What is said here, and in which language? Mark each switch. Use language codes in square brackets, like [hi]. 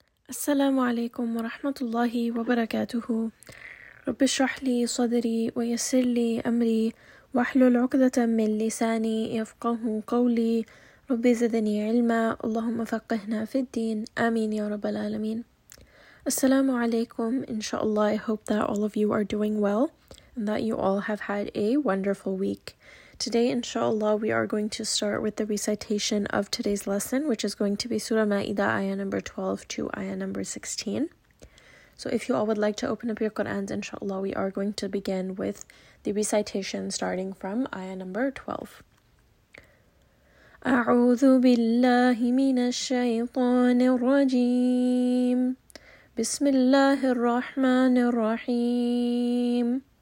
[ar] السلام عليكم ورحمة الله وبركاته. رب اشرح لي صدري ويسر لي أمري واحلل عقدة من لساني يفقه قولي. رب زدني علما اللهم فقهنا في الدين. آمين يا رب العالمين. السلام عليكم. [en] إن شاء الله I hope that all of you are doing well and that you all have had a wonderful week. Today, inshallah, we are going to start with the recitation of today's lesson, which is going to be Surah Ma'idah, ayah number 12 to ayah number 16. So if you all would like to open up your Qur'ans, inshallah, we are going to begin with the recitation starting from ayah number 12. [ar] أعوذ بالله من الشيطان الرجيم بسم الله الرحمن الرحيم